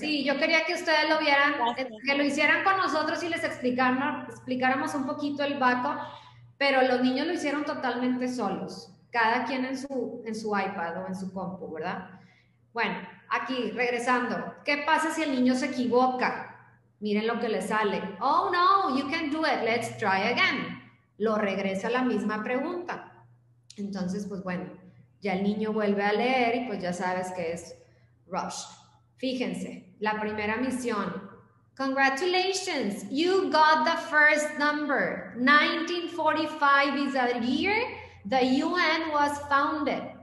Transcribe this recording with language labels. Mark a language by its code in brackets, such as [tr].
[es] Sí, yo quería que ustedes lo vieran, que lo hicieran con nosotros y les explicáramos un poquito el backup, pero los niños lo hicieron totalmente solos, cada quien en su iPad o en su compu, ¿verdad? Bueno, aquí, regresando, ¿qué pasa si el niño se equivoca? Miren lo que le sale. [en] Oh, no, you can do it, let's try again. [es] Lo regresa la misma pregunta. Entonces, pues bueno, ya el niño vuelve a leer y pues ya sabes que es rush. Fíjense, la primera misión. [en] Congratulations, you got the first number. 1945 is the year the UN was founded.